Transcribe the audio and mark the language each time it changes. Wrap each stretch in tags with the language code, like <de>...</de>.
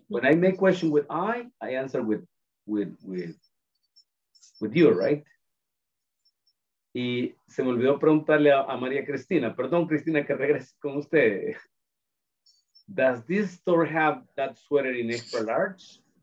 <en>When I make question with I answer with you, right?</en> <es>Y se me olvidó preguntarle a María Cristina. Perdón, Cristina, que regrese con usted.</es> <en>Does this store have that sweater in extra large?</en>